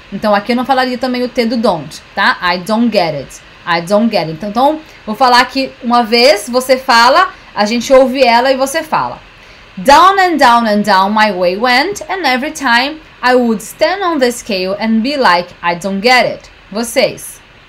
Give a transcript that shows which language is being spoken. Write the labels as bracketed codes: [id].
[pt] Então aqui eu não falaria também o T do don't, tá? [en] I don't get it, I don't get it. [pt] Então vou falar aqui uma vez, você fala, a gente ouve ela e você fala. [en] Down and down and down my way went, and every time I would stand on the scale and be like, I don't get it. [pt] Vocês.